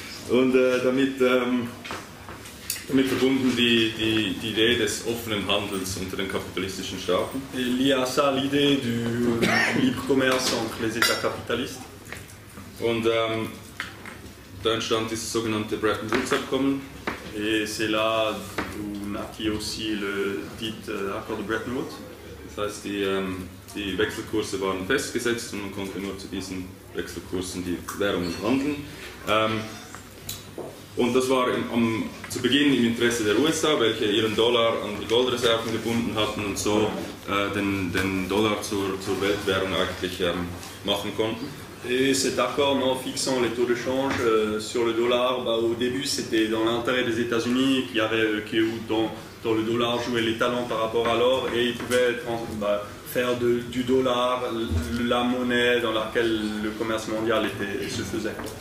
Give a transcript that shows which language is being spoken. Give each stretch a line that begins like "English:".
German: Damit verbunden die Idee des offenen Handels unter den kapitalistischen Staaten.
French: Et lié à ça l'idée du libre commerce entre les États capitalistes.
German: Und da entstand dieses sogenannte Bretton Woods-Abkommen.
French: Et c'est là où naquit aussi le dit accord de Bretton Woods.
German: Das heißt, die Wechselkurse waren festgesetzt und man konnte nur zu diesen Wechselkursen die Währungen handeln. Und das war zu Beginn im Interesse der USA, welche ihren Dollar an die Goldreserven gebunden hatten und so den Dollar zur Weltwährung eigentlich machen konnten.
French: Et cet accord en fixant les taux de change sur le dollar, bah, au début c'était dans l'intérêt des États-Unis dont le dollar jouait l'étalon par rapport à l'or et ils pouvaient faire du dollar la monnaie dans laquelle le commerce mondial se faisait.